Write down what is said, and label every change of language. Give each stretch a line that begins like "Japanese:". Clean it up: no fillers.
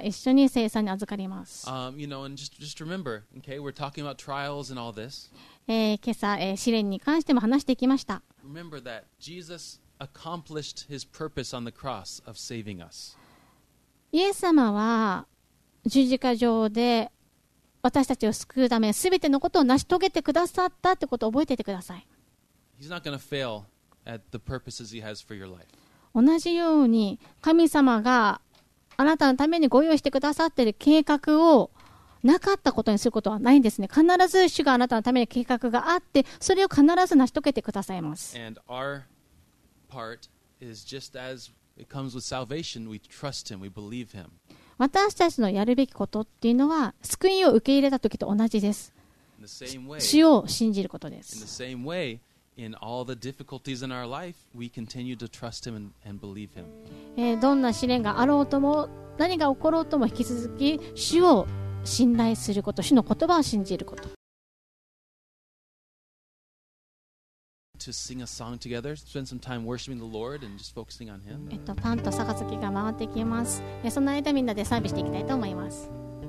Japanese: 一緒に聖餐に預かります。今朝、試練に関しても話していきました。
English: Remember that Jesus accomplished his purpose on the cross of saving us.
Japanese: イエス様は十字架上で私たちを救うため全てのことを成し遂げてくださったってことを覚えていてください。
English: He's not going to failAt the purposes he has for your life.
Japanese: 同じように神様があなたのためにご用意してくださっている計画をなかったことにすることはないんですね。必ず主があなたのために計画があって、それを必ず成し遂げてくださいます。
English: And our part is just as it comes with salvation, we trust him, we believe him.
Japanese: 私たちのやるべきことっていうのは、救いを受け入れた時と同じです。
English: In the same way,
Japanese: 主を信じることです。
English: In the same wayIn all the difficulties in our life, we continue to trust him and believe him.
Japanese: どんな試練があろうとも、何が起ころうとも、引き続き主を信頼すること、主の言葉を信じること。
English: To sing a song together, spend some time worshiping the Lord and just focusing on him.
Japanese: パンと杯が回ってきます。その間みんなで賛美していきたいと思います。